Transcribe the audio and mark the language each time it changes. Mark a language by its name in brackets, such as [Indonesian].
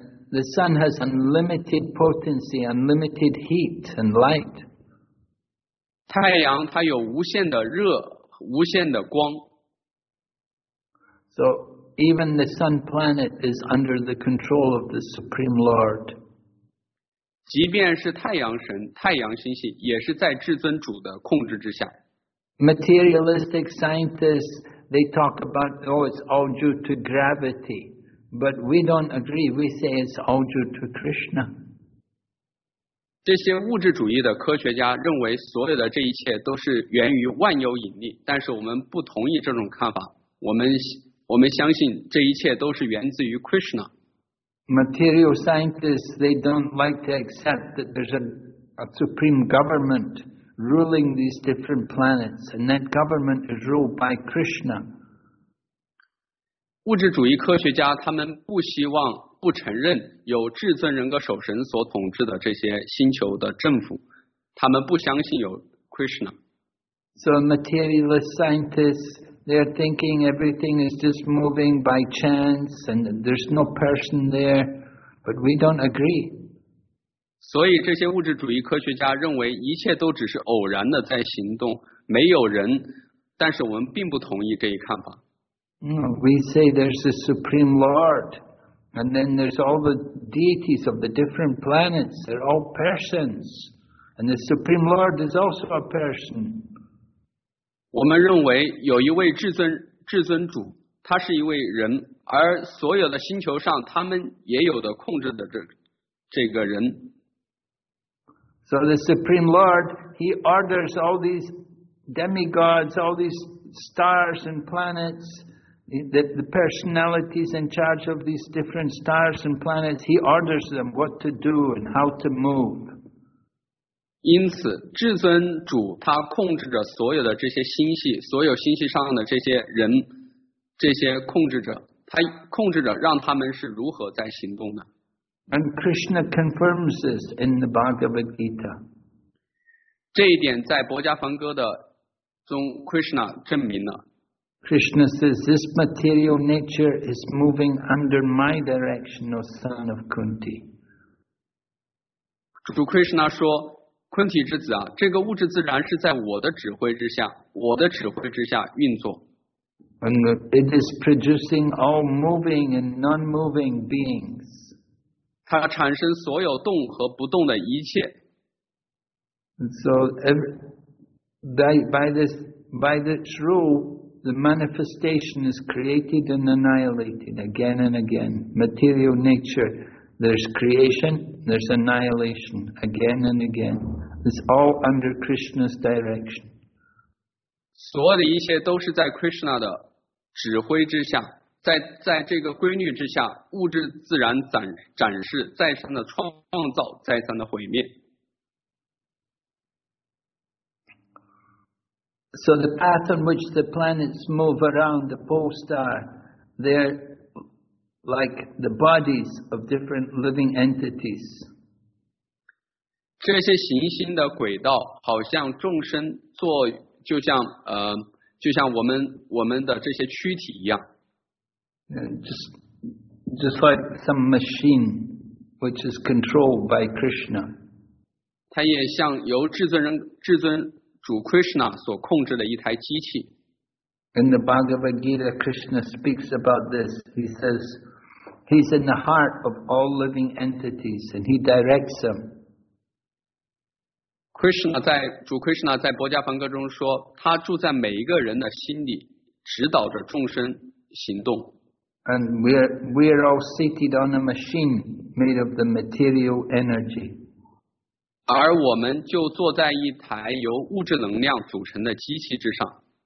[English] The sun has unlimited potency, unlimited heat and light. [Chinese] 太阳它有无限的热，无限的光。 [English] So,Even the sun planet is under the control of the Supreme Lord. [Chinese] 即便是太阳神、太阳星系，也是在至尊主的控制之下。 [English] Materialistic scientists, they talk about, oh, it's all due to gravity. But we don't agree. We say it's all due to Krishna. [Chinese] 这些物质主义的科学家认为所有的这一切都是源于万有引力，但是我们不同意这种看法。我们相信这一切都是源自于 Krishna. [English] Material scientists, they don't like to accept that there's a supreme government ruling these different planets, and that government is ruled by Krishna. [Chinese] 物质主义科学家他们不希望不承认有至尊人格守神所统治的这些星球的政府，他们不相信有 Krishna. [English] So materialist scientists,They're thinking everything is just moving by chance and there's no person there, but we don't agree. [Chinese] 所以这些物质主义科学家认为一切都只是偶然的在行动，没有人，但是我们并不同意这一看法。 [English] We say there's a supreme lord, and then there's all the deities of the different planets, they're all persons, and the supreme lord is also a person. [Chinese] 我们认为有一位至尊主，他是一位人，而所有的星球上他们也有的控制的这个人。 [English] So the Supreme Lord, he orders all these demigods, all these stars and planets, the personalities in charge of these different stars and planets, he orders them what to do and how to move. [Chinese] 因此至尊主他控制着所有的这些星系，所有星系上的这些人，这些控制者，他控制着让他们是如何在行动的。 [English] And Krishna confirms this in the Bhagavad Gita. [Chinese] 这一点在薄伽梵歌的中 Krishna 证明了。 [English] Krishna says, this material nature is moving under my direction, O son of Kunti. [Chinese] 主 Krishna 说昆体之子啊，这个物质自然是在我的指挥之下，我的指挥之下运作。 [English] And it is producing all moving and non-moving beings. [Chinese] 它产生所有动和不动的一切。 [English] And so, by this rule, the manifestation is created and annihilated again and again. Material nature, there's creation, there's annihilation again and again. It's all under Krishna's direction. [Chinese] 所有的一切都是在 Krishna 的指挥之下，在这个规律之下，物质自然展示，再三的创造，再三的毁灭。 [English] So the path on which the planets move around the pole star, they're like the bodies of different living entities. [Chinese] 这些行星的轨道好像众生做就像我们的这些躯体一样。 [English] Just like some machine which is controlled by Krishna. [Chinese] 它也像由至尊主 Krishna 所控制的一台机器。 [English] In the Bhagavad Gita, Krishna speaks about this. He says, he's in the heart of all living entities and he directs them. [Chinese] 主 Krishna 在薄伽梵歌中说，他住在每一个人的心里，指导着众生行动。 [English] And we're all seated on a machine made of the material energy. [Chinese] 而我们就坐在一台由物质能量组成的机器之上。